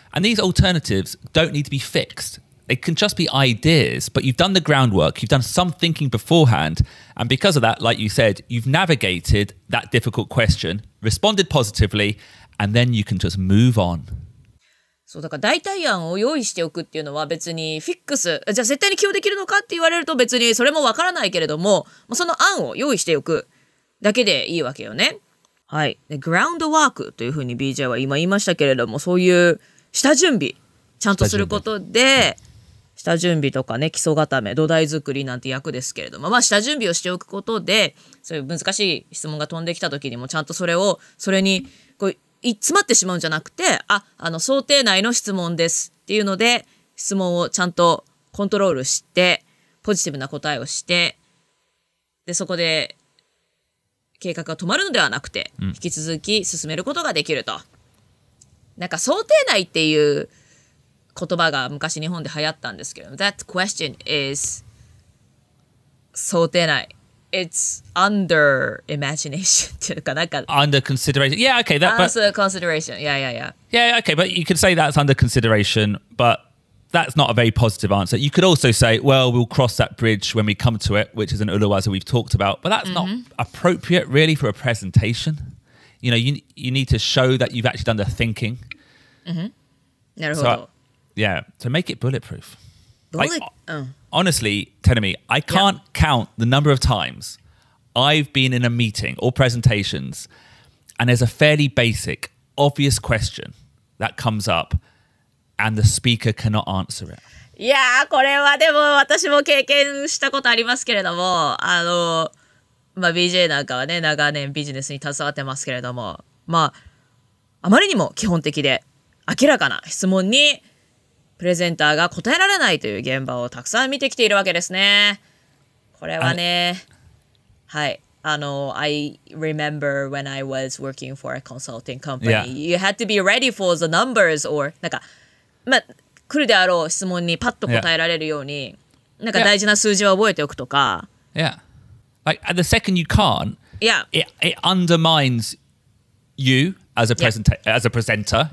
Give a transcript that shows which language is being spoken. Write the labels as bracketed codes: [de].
[en] And these alternatives don't need to be fixed. They can just be ideas, but you've done the groundwork. You've done some thinking beforehand. And because of that, like you said, you've navigated that difficult question, responded positively, and then you can just move on. [ja] そうだから代替案を用意しておくっていうのは別にフィックス、じゃあ絶対に起用できるのかって言われると別にそれもわからないけれども、その案を用意しておくだけでいいわけよね。はい、グラウンドワークというふうに BJ は今言いましたけれども、そういう下準備ちゃんとすることで、下準備とかね、基礎固め、土台作りなんて役ですけれども、まあ下準備をしておくことで、そういう難しい質問が飛んできた時にもちゃんとそれをそれにこう詰まってしまうんじゃなくて、ああの想定内の質問ですっていうので質問をちゃんとコントロールしてポジティブな答えをして、でそこで計画が止まるのではなくて引き続き進めることができると、うん、なんか想定内っていう言葉が昔日本で流行ったんですけど、 [en] That question is [ja] 想定内、 [en] It's under imagination [ja] っていうか、なんか [en] Under consideration. Yeah, okay, that, but under consideration. Yeah, yeah, yeah. Yeah, okay, but you could say that's under consideration, but that's not a very positive answer. You could also say, well, we'll cross that bridge when we come to it, which is an uluwaza we've talked about. But that's not appropriate, really, for a presentation. You know, you need to show that you've actually done the thinking. [ja] なるほど。So, [en] yeah, to make it bulletproof. Honestly, Tenemi, I can't count the number of times I've been in a meeting or presentations, and there's a fairly basic, obvious question that comes up,And the speaker cannot answer it. [ja] いやー、これはでも私も経験したことありますけれども、あの、まあ、BJ なんかはね、長年ビジネスに携わってますけれども、まあ、あまりにも基本的で明らかな質問にプレゼンターが答えられないという現場をたくさん見てきているわけですね。これはね、はい。あの、 [en] I remember when I was working for a consulting company.、Yeah. You had to be ready for the numbers or, [ja] なんか、まあ、来るであろう質問にパッと答えられるように、 [en] yeah. [ja] なんか大事な数字は覚えておくとか。 [en] Yeah. Like, at the second you can't, it undermines you as a, as a presenter.